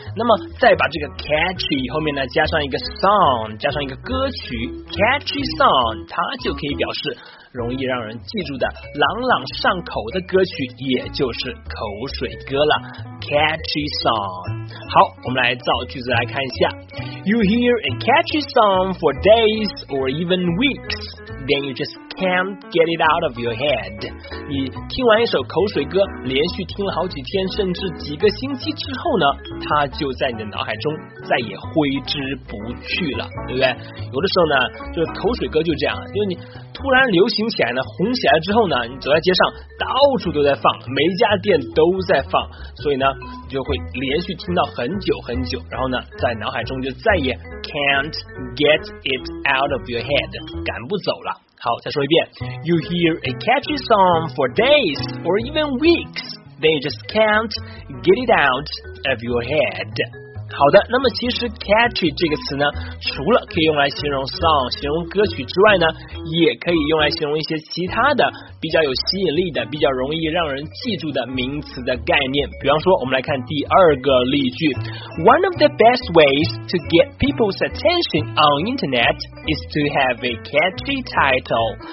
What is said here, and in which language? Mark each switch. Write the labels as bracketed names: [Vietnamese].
[Chinese] 那么再把这个 catchy 后面呢加上一个 song， 加上一个歌曲 catchy song， 它就可以表示容易让人记住的朗朗上口的歌曲，也就是口水歌了， catchy song。好，我们来造句子来看一下。 [English] You hear a catchy song for days or even weeks, then you just can't get it out of your head。 [Chinese] 你听完一首口水歌，连续听了好几天甚至几个星期之后呢，它就在你的脑海中再也挥之不去了，对不对？有的时候呢就是口水歌就这样，因为你突然流行起来呢，红起来之后呢，你走在街上到处都在放，每一家店都在放，所以呢你就会连续听到很久很久，然后呢在脑海中就再也 [English] can't get it out of your head， [Chinese] 赶不走了。好，再说一遍。 [English] You hear a catchy song for days or even weeks, they just can't get it out of your head。 [Chinese] 好的，那么其实 catchy 这个词呢，除了可以用来形容 song 形容歌曲之外呢，也可以用来形容一些其他的比较有吸引力的比较容易让人记住的名词的概念。比方说我们来看第二个例句。 [English] One of the best ways to get people's attention on internet is to have a catchy title。